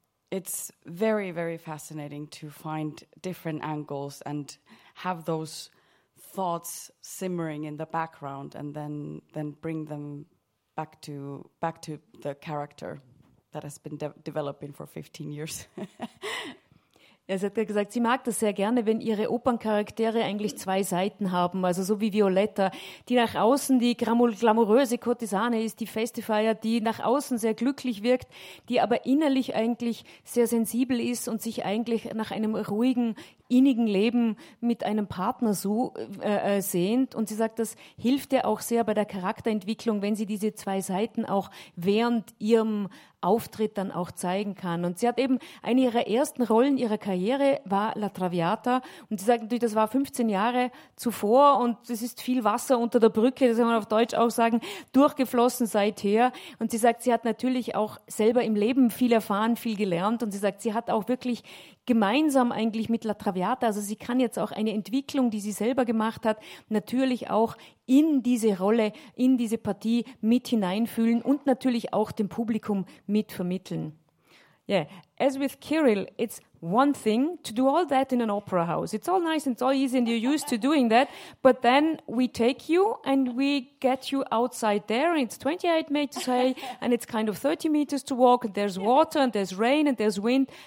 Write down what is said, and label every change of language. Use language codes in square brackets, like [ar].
[en] It's very, very fascinating to find different angles and have those thoughts simmering in the background and then bring them back to the character that has been developing for 15 years. [de] Er hat gesagt, sie mag das sehr gerne, wenn ihre Operncharaktere eigentlich 2 Seiten haben, also so wie Violetta, die nach außen die glamouröse Kurtisane ist, die Feste feiert, die nach außen sehr glücklich wirkt, die aber innerlich eigentlich sehr sensibel ist und sich eigentlich nach einem ruhigen, innigen Leben mit einem Partner so sehnt. Und sie sagt, das hilft ihr auch sehr bei der Charakterentwicklung, wenn sie diese 2 Seiten auch während ihrem Auftritt dann auch zeigen kann. Und sie hat eben eine ihrer ersten Rollen ihrer Karriere war La Traviata. Und sie sagt natürlich, das war 15 Jahre zuvor und es ist viel Wasser unter der Brücke, das kann man auf Deutsch auch sagen, durchgeflossen seither. Und sie sagt, sie hat natürlich auch selber im Leben viel erfahren, viel gelernt. Und sie sagt, sie hat auch wirklich gemeinsam eigentlich mit La Traviata, also sie kann jetzt auch eine Entwicklung, die sie selber gemacht hat, natürlich auch in diese Rolle, in diese Partie mit hineinfühlen und natürlich auch dem Publikum mitvermitteln. [en] Yeah, as with Kirill, it's one thing to do all that in an opera house. It's all nice and it's all easy and you're used to doing that, but then we take you and we get you outside there and it's 28 meters high and it's kind of 30 meters to walk and there's water and there's rain and there's wind.